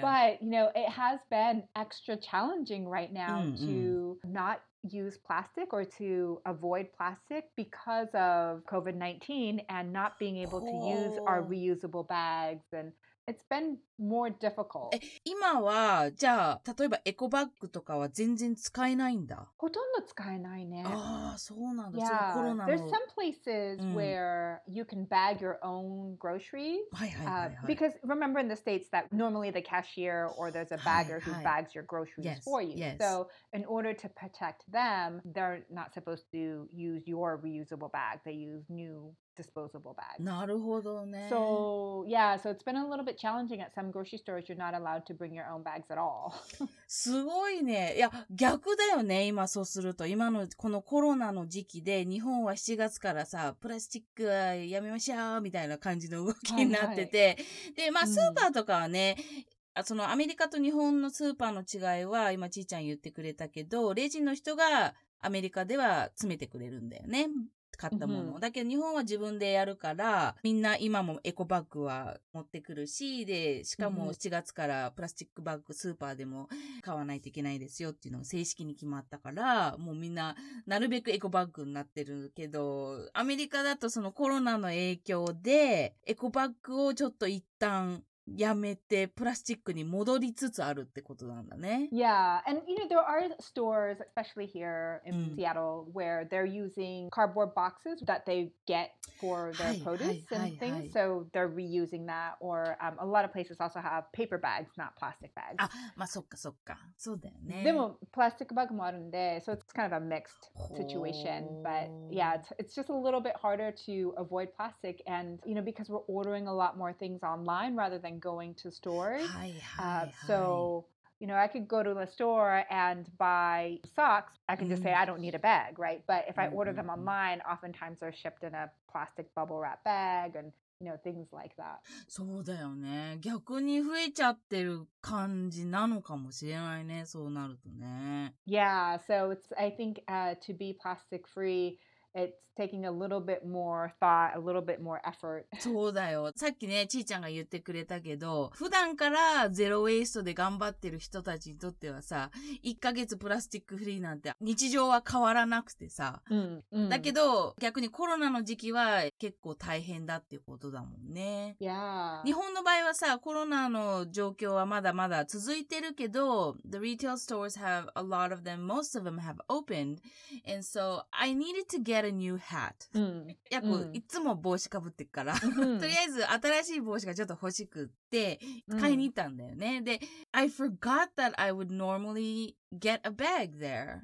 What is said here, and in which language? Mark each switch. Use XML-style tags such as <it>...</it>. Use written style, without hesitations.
<en>But, you know, it has been extra challenging right now to not... use plastic or to avoid plastic because of COVID-19 and not being able to use our reusable bags and it's been more difficult.</en> <ja>今はじゃあ例えばエコバッグとかは全然使えないんだ。ほとんど使えないね。ああ、そうなんだ。</ja> <en>Yeah.</en> <ja>コロナの。</ja> <en>There's some places where you can bag your own groceries.</en> <ja>はいはいはい、はい。</ja> <en>Because remember in the States that normally the cashier or there's a bagger who bags your groceries yes, for you. Yes. So in order to protect them, they're not supposed to use your reusable bag. They use newDisposable bag.</en> <ja>なるほどね。</ja> <en>So, yeah, so it's been a little bit challenging at some grocery stores. You're not allowed to bring your own bags at all.</en> <ja>すごいね。いや、逆だよね。今そうすると。今のこのコロナの時期で、日本は7月からさ、プラスチックはやめましょうみたいな感じの動きになってて。はいはい、で、まあ、スーパーとかはね、そのアメリカと日本のスーパーの違いは、今ちーちゃん言ってくれたけど、レジの人がアメリカでは詰めてくれるんだよね。買ったもの、mm-hmm. だけど日本は自分でやるからみんな今もエコバッグは持ってくるしでしかも7月からプラスチックバッグスーパーでも買わないといけないですよっていうのが正式に決まったからもうみんななるべくエコバッグになってるけどアメリカだとそのコロナの影響でエコバッグをちょっと一旦やめてプラスチックに戻りつつあるってことなんだね。</ja> <en>Yeah, and you know, there are stores, especially here in Seattle, where they're using cardboard boxes that they get for their produce and things, so they're reusing that. Or a lot of places also have paper bags, not plastic bags.</en> <ja>あ、まあそっかそっか。そうだよね。でも、プラスチックバッグもあるんで、</ja> <en>so it's kind of a mixed situation. But yeah, it's just a little bit harder to avoid plastic. And, you know, because we're ordering a lot more things online rather than going to stores. So, you know, I could go to the store and buy socks. I can just say I don't need a bag, right? But if I order them online, oftentimes they're shipped in a plastic bubble wrap bag and, you know, things like that.</en> <ja>そうだよね。逆に増えちゃってる感じなのかもしれないね。そうなるとね。</ja> <en>Yeah, so it's, I think, to be plastic free,It's taking a little bit more thought, a little bit more effort.</en> <ja>そうだよ。さっきね、ちーちゃんが言ってくれたけど、普段からゼロウェイストで頑張ってる人たちにとってはさ、1ヶ月プラスチックフリーなんて日常は変わらなくてさ。だけど、逆にコロナの時期は結構大変だっていうことだもんね。</ja> <en>Yeah.</en> <ja>日本の場合はさ、コロナの状況はまだまだ続いてるけど、</ja> <en>the retail stores have a lot of them, most of them have opened. And so, I needed to get a new hat.</en> <ja>やっぱいつも帽子かぶってっから、とりあえず新しい帽子がちょっと欲しくって買いに行ったんだよね。</ja> <en>で、I forgot that I would normally get a bag there.</en>